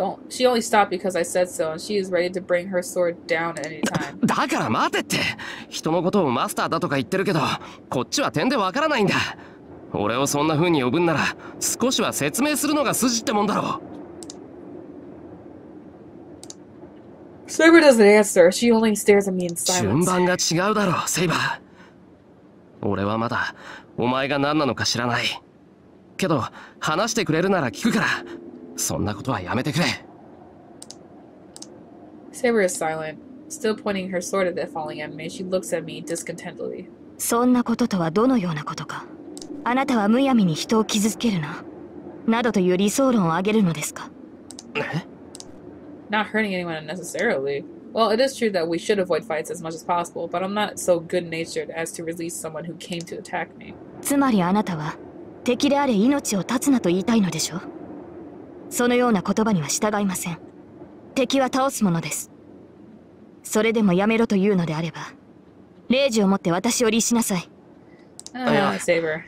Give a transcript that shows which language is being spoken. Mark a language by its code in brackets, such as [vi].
[en] She only stopped because I said so, and she is ready to bring her sword down at any time. [ja] だから待てって。人のことをマスターだとか言ってるけど、こっちは点でわからないんだ。俺をそんな風に呼ぶんなら、少しは説明するのが筋ってもんだろう。 [en] Saber doesn't answer. She only stares at me in silence. [ja] 順番が違うだろ、セイバー。俺はまだお前が何なのか知らない。けど話してくれるなら聞くから。そんなことはやめてくれ。 [en] Saber is silent, still pointing her sword at the falling enemy. She looks at me discontentedly. [ja] そんなこととはどのようなことか。あなたはむやみに人を傷つけるな。などという理想論をあげるのですか。 [en] Not hurting anyone unnecessarily. Well, it is true that we should avoid fights as much as possible, but I'm not so good-natured as to release someone who came to attack me. [ja] つまりあなたは、敵であれ命を絶つなと言いたいのでしょう。そのような言葉には従いません。敵は倒すものです。それでもやめろというのであれば、レイジをもって私を利しなさい。いや、Saber。